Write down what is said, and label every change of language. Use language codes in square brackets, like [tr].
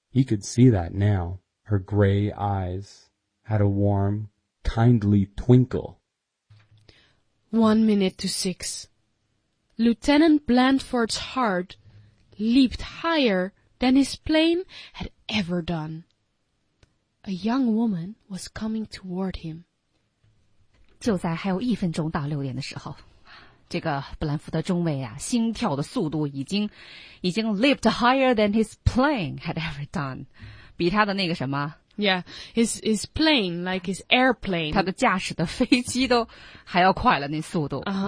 [en] He could see that now. Her gray eyes had a warm, kindly twinkle. 1 minute to six. Lieutenant Blandford's heart leaped higher than his plane had ever done. A young woman was coming toward him. [zh] 就在还有一分钟到六点的时候, 这个布兰福德中尉啊,心跳的速度已经 [en] leaped higher than his plane had ever done. [zh] 比他的那个什么, [en] yeah, his plane, like his airplane. [zh] 他的驾驶的飞机都还要快了,那速度。